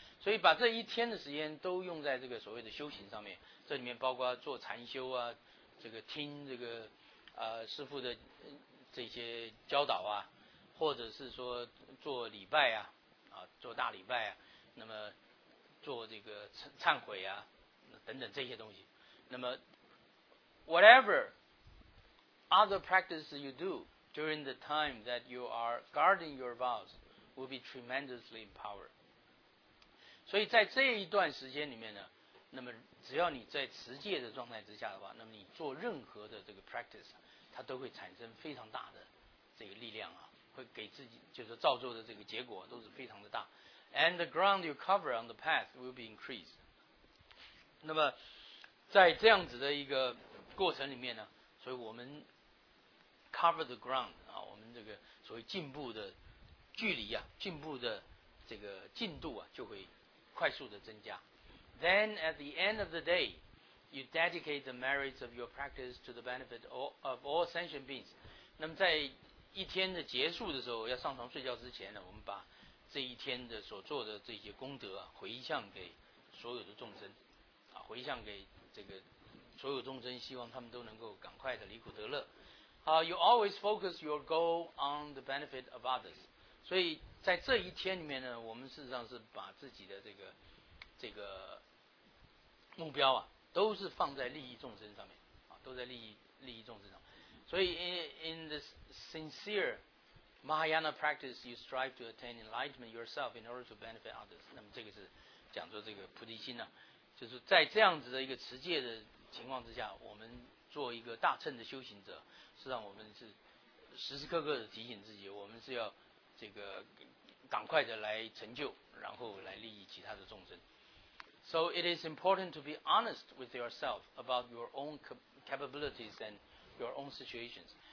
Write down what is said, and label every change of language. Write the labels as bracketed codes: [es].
[zh] 所以把这一天的时间都用在这个所谓的修行上面，这里面包括做禅修啊，这个听这个师父的这些教导啊，或者是说做礼拜啊，做大礼拜啊，那么做这个忏悔啊等等这些东西。那么 [en] whatever other practices you dodoDuring the time that you are guarding your vows will be tremendously empowered. [zh] 所以在这一段时间里面呢，那么只要你在持戒的状态之下的话，那么你做任何的这个 practice， 它都会产生非常大的这个力量啊，会给自己就是造作的这个结果都是非常的大。 [en] And the ground you cover on the path will be increased。 [zh] 那么在这样子的一个过程里面呢，所以我们 [en] cover the ground [zh] 啊，我们这个所谓进步的距离啊，进步的这个进度啊，就会快速的增加。 [en] Then at the end of the day, you dedicate the merits of your practice to the benefit of all sentient beings。 [zh] 那么在一天的结束的时候，要上床睡觉之前呢，我们把这一天的所做的这些功德啊，回向给所有的众生，啊，回向给这个所有众生，希望他们都能够赶快的离苦得乐。好 [en] ，You always focus your goal on the benefit of others。 [zh] 所以在这一天里面呢，我们事实上是把自己的这个目标啊，都是放在利益众生上面，啊，都在利益众生上。所以 [en] in the sincere Mahayana practice, you strive to attain enlightenment yourself in order to benefit others。 [zh] 那么这个是讲说这个菩提心呢，啊，就是在这样子的一个持戒的情况之下，我们做一个大乘的修行者，实际上我们是时时刻刻的提醒自己，我们是要这个赶快的来成就，然后来利益其他的众生。 [en] So it is important to be honest with yourself about your own capabilities and your own situations。